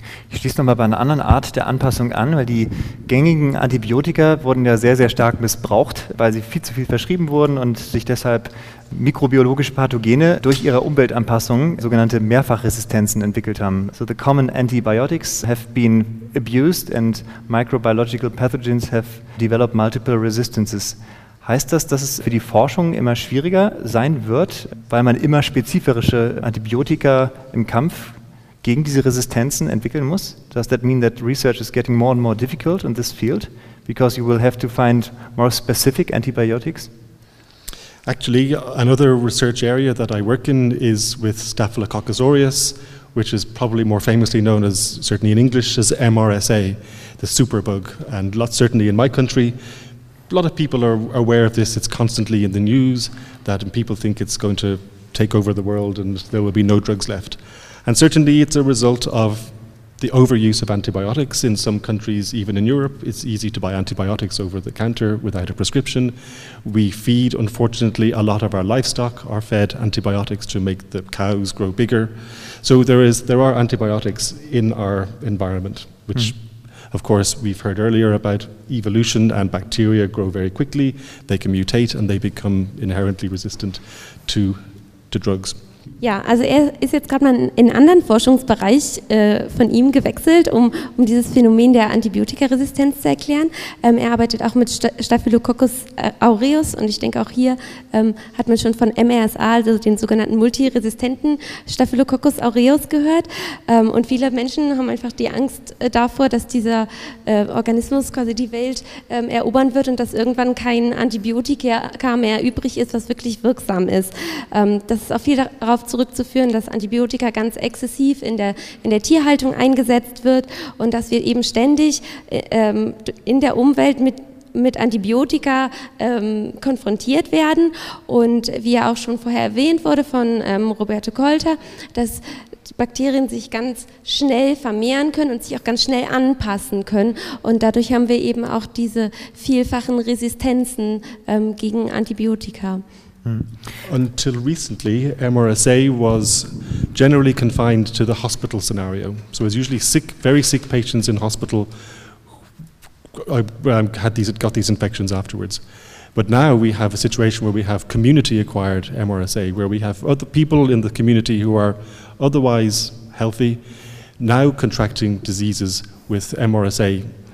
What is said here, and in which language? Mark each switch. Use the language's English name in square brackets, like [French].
[German] Ich schließe nochmal bei einer anderen Art der Anpassung an, weil die gängigen Antibiotika wurden ja sehr, sehr stark missbraucht, weil sie viel zu viel verschrieben wurden und sich deshalb mikrobiologische Pathogene durch ihre Umweltanpassung sogenannte Mehrfachresistenzen entwickelt haben. [English] So the common antibiotics have been abused and microbiological pathogens have developed multiple resistances. [German] Heißt das, dass es für die Forschung immer schwieriger sein wird, weil man immer spezifischere Antibiotika im Kampf gegen diese Resistenzen entwickeln muss? [English] Does that mean that research is getting more and more difficult in this field, because you will have to find more specific antibiotics? Actually, another research area that I work in is with Staphylococcus aureus, which is probably more famously known, as certainly in English, as MRSA, the superbug, and certainly in my country, a lot of people are aware of this. It's constantly in the news that people think it's going to take over the world and there will be no drugs left. And certainly it's a result of the overuse of antibiotics. In some countries, even in Europe, it's easy to buy antibiotics over the counter without a prescription. We feed, unfortunately, a lot of our livestock are fed antibiotics to make the cows grow bigger. So there are antibiotics in our environment, which, of course, we've heard earlier about evolution, and bacteria grow very quickly. They can mutate and they become inherently resistant to drugs. [German] Ja, also er ist jetzt gerade mal in einen anderen Forschungsbereich von ihm gewechselt, um dieses Phänomen der Antibiotikaresistenz zu erklären. Er arbeitet auch mit Staphylococcus aureus und ich denke auch hier hat man schon von MRSA, also den sogenannten multiresistenten Staphylococcus aureus gehört. Und viele Menschen haben einfach die Angst davor, dass dieser Organismus quasi die Welt erobern wird und dass irgendwann kein Antibiotika mehr übrig ist, was wirklich wirksam ist. Das ist auch viel darauf zurückzuführen, dass Antibiotika ganz exzessiv in der Tierhaltung eingesetzt wird und dass wir eben ständig in der Umwelt mit Antibiotika konfrontiert werden. Und wie ja auch schon vorher erwähnt wurde von Roberto Colter, dass Bakterien sich ganz schnell vermehren können und sich auch ganz schnell anpassen können. Und dadurch haben wir eben auch diese vielfachen Resistenzen gegen Antibiotika. [English] Until recently, MRSA was generally confined to the hospital scenario. So it was usually sick, very sick patients in hospital got these infections afterwards. But now we have a situation where we have community-acquired MRSA, where we have other people in the community who are otherwise healthy now contracting diseases with MRSA.